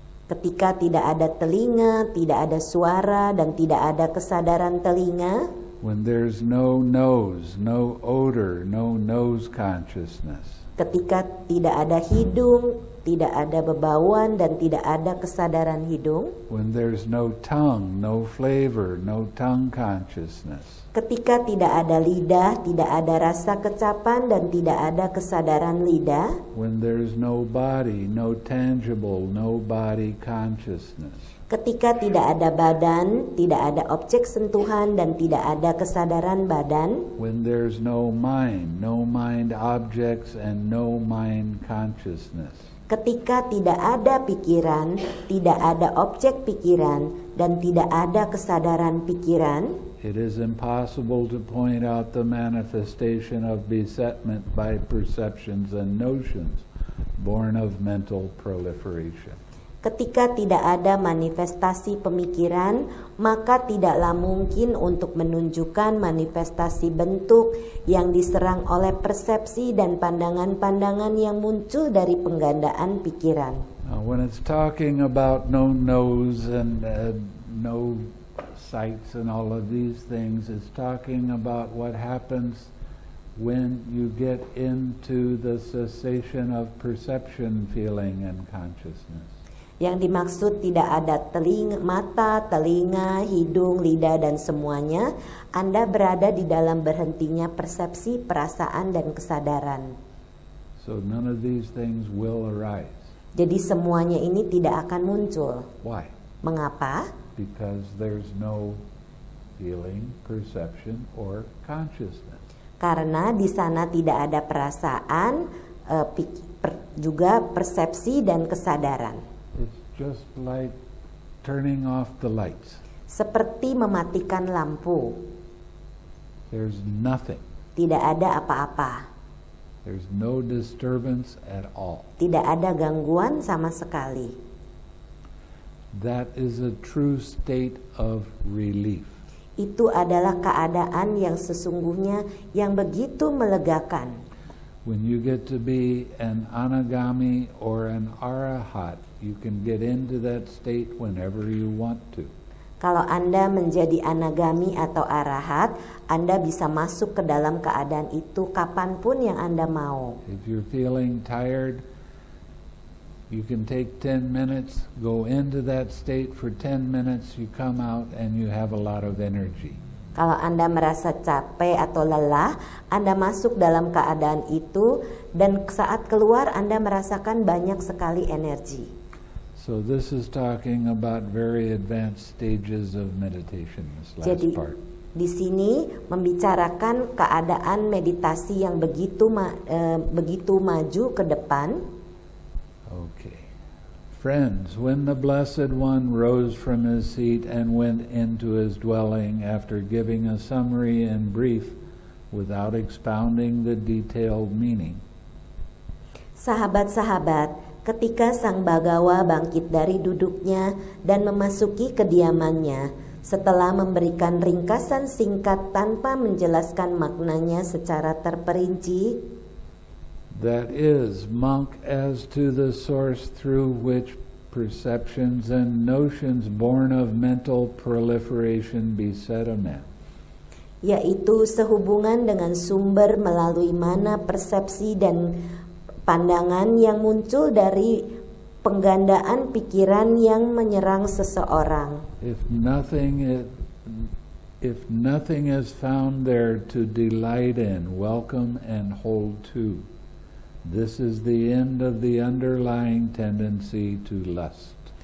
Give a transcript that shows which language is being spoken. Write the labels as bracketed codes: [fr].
[id] Ketika tidak ada telinga, tidak ada suara, dan tidak ada kesadaran telinga. [en] When there's no nose, no odor, no nose consciousness. [id] Ketika tidak ada hidung, tidak ada bebauan, dan tidak ada kesadaran hidung. [en] When there's no tongue, no flavor, no tongue consciousness. [id] Ketika tidak ada lidah, tidak ada rasa kecapan, dan tidak ada kesadaran lidah. [en] When there's no body, no tangible, no body consciousness. [id] Ketika tidak ada badan, tidak ada objek sentuhan, dan tidak ada kesadaran badan. [en] When there's no mind, no mind objects, and no mind consciousness. [id] Ketika tidak ada pikiran, tidak ada objek pikiran, dan tidak ada kesadaran pikiran. [en] It is impossible to point out the manifestation of besetment by perceptions and notions born of mental proliferation. [id] Ketika tidak ada manifestasi pemikiran, maka tidaklah mungkin untuk menunjukkan manifestasi bentuk yang diserang oleh persepsi dan pandangan-pandangan yang muncul dari penggandaan pikiran. [en] Now, when it's talking about no nose and no sights and all of these things, it's talking about what happens when you get into the cessation of perception, feeling, and consciousness. [id] Yang dimaksud tidak ada telinga, mata, telinga, hidung, lidah, dan semuanya, Anda berada di dalam berhentinya persepsi, perasaan, dan kesadaran. [en] So none of these things will arise. [id] Jadi semuanya ini tidak akan muncul. [en] Why? [id] Mengapa? [en] Because there's no feeling, perception, or consciousness. [id] Karena di sana tidak ada perasaan, juga persepsi, dan kesadaran. [en] Just like turning off the lights. [id] Seperti mematikan lampu. [en] There's nothing. [id] Tidak ada apa-apa. [en] There's no disturbance at all. [id] Tidak ada gangguan sama sekali. [en] That is a true state of relief. [id] Itu adalah keadaan yang sesungguhnya yang begitu melegakan. [en] When you get to be an anagami or an arahat, you can get into that state whenever you want to. [id] Kalau Anda menjadi anagami atau arahat, Anda bisa masuk ke dalam keadaan itu kapanpun yang Anda mau. [en] If you're feeling tired, you can take 10 minutes, go into that state for 10 minutes, you come out and you have a lot of energy. [id] Kalau Anda merasa capek atau lelah, Anda masuk dalam keadaan itu dan saat keluar Anda merasakan banyak sekali energi. [en] So this is talking about very advanced stages of meditation, this last [id] Jadi, [en] part. [id] Di sini membicarakan keadaan meditasi yang begitu begitu maju ke depan. [en] Okay. Friends, when the Blessed One rose from his seat and went into his dwelling after giving a summary in brief without expounding the detailed meaning. [id] Sahabat-sahabat, ketika Sang Bhagawa bangkit dari duduknya dan memasuki kediamannya, setelah memberikan ringkasan singkat tanpa menjelaskan maknanya secara terperinci, [en] that is, monk, as to the source through which perceptions and notions born of mental proliferation beset a man. [id] Yaitu sehubungan dengan sumber melalui mana persepsi dan pandangan yang muncul dari penggandaan pikiran yang menyerang seseorang. [en] If nothing is found there to delight in, welcome and hold to, this is the end of the underlying tendency to lust.